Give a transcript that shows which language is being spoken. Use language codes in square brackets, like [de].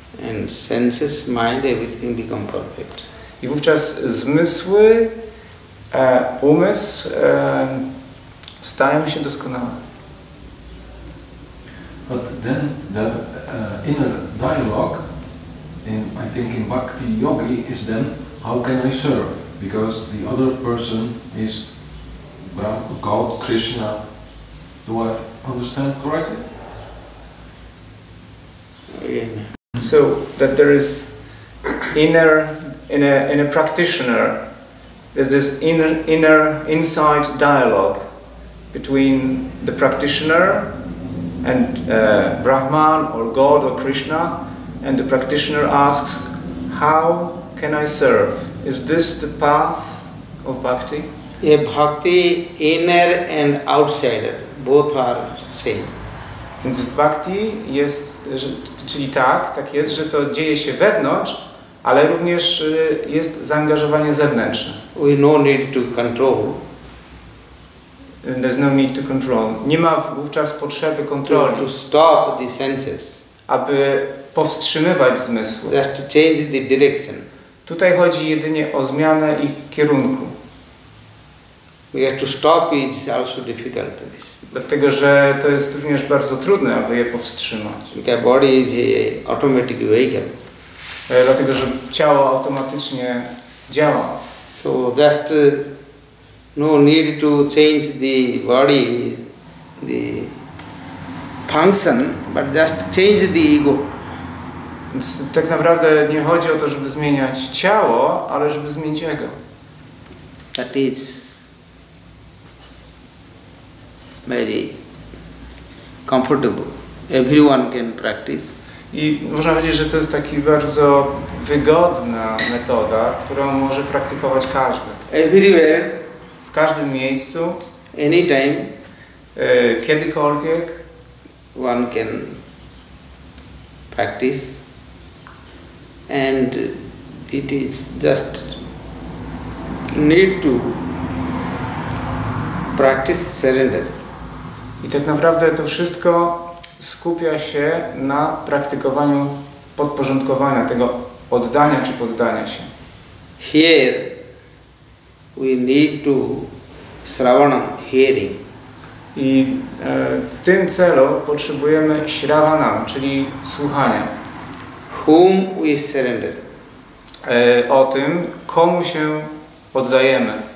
[en] And senses, mind, everything become perfect. [pl] I wówczas zmysły, umysł stają się doskonałe. [en] But then the inner dialogue, in I think in Bhakti Yogi, is then how can I serve? Because the other person is God, Krishna. Do I understand correctly? So that there is in a practitioner, there's this inner inside dialogue between the practitioner and Brahman or God or Krishna, and the practitioner asks, how can I serve? Is this the path of bhakti? Yeah, bhakti, inner and outsider, both are same. [pl] Więc w bhakti jest, czyli tak jest, że to dzieje się wewnątrz, ale również jest zaangażowanie zewnętrzne. [en] We no need to control. And there's no need to control. [pl] Nie ma wówczas potrzeby kontroli. [en] To stop the senses. [pl] Aby powstrzymywać zmysły. [en] Just to change the direction. [pl] Tutaj chodzi jedynie o zmianę ich kierunku. [en] Yeah, to stop it is also difficult to this. [pl] Dlatego, że to jest również bardzo trudne, aby je powstrzymać. [en] Because body is a automatic vehicle. [pl] Dlatego, że ciało automatycznie działa. [en] So just no need to change the body, the function, but just change the ego. [pl] Więc tak naprawdę nie chodzi o to, żeby zmieniać ciało, ale żeby zmienić ego. [en] That is very comfortable. Everyone can practice. [pl] I można powiedzieć, że to jest taki bardzo wygodna metoda, którą może praktykować każdy. [en] Everywhere. [pl] W każdym miejscu. [en] Anytime. [pl] Kiedykolwiek. [en] One can practice. And it is just need to practice surrender. [pl] I tak naprawdę to wszystko skupia się na praktykowaniu podporządkowania, tego oddania czy poddania się. [en] Here we need to śravana, hearing. [pl] I w tym celu potrzebujemy śravana, czyli słuchania. [en] Whom we surrender. [pl] O tym, komu się poddajemy.